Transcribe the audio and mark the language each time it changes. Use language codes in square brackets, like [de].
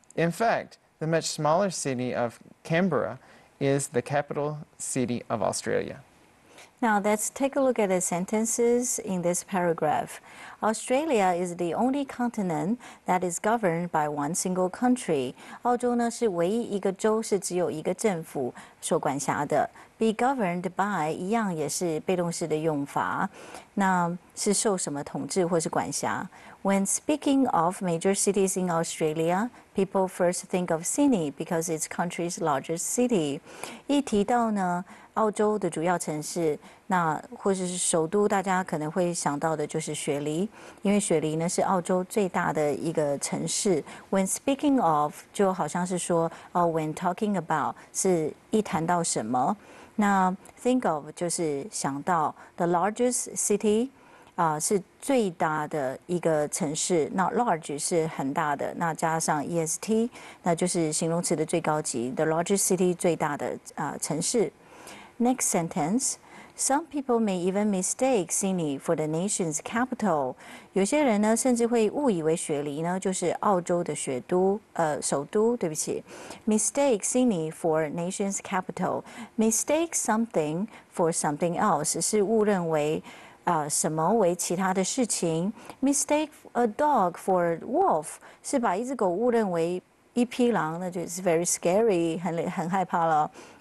[en] In fact, the much smaller city of Canberra is the capital city of Australia. Now, let's take a look at the sentences in this paragraph. Australia is the only continent that is governed by one single country. [zh] 澳洲呢是唯一一个州是只有一个政府所管辖的。 [en] Be governed by [zh] 一样也是被动式的用法，那是受什么统治或是管辖。 [en] When speaking of major cities in Australia, people first think of Sydney because it's country's largest city. [zh] 一提到呢澳洲的主要城市，那或者是首都，大家可能会想到的就是雪梨，因为雪梨呢是澳洲最大的一个城市。 [en] When speaking of [zh] 就好像是说哦 ， [en] when talking about [zh] 是一谈到什么，那 think of 就是想到 [en] the largest city。 [zh] 是最大的一个城市，那 large 是很大的，那加上 est， 那就是形容词的最高级 ， [en] the largest city [zh] 最大的城市。 [en] Next sentence， some people may even mistake Sydney for the nation's capital。 [zh] 有些人呢，甚至会误以为雪梨呢就是澳洲的雪都，首都。对不起 ， [en] mistake Sydney for nation's capital， mistake something for something else [zh] 是误认为。什么为其他的事情 ？ [en] Mistake a dog for a wolf [zh] 是把一只狗误认为一匹狼，那就是 [en] very scary， [zh] 很害怕了。